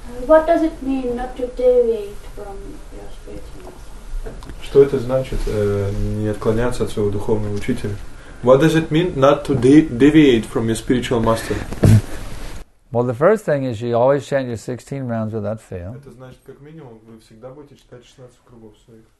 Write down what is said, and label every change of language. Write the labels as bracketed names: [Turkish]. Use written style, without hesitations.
[English] What does it mean not to deviate from your spiritual? [Russian] Что это значит не отклоняться от своего духовного учителя? [English] What does it mean not to deviate from your spiritual master? Well, the first thing is you always chant your 16 rounds without fail. [Russian] Это значит, как минимум, вы всегда будете читать 16 кругов своих.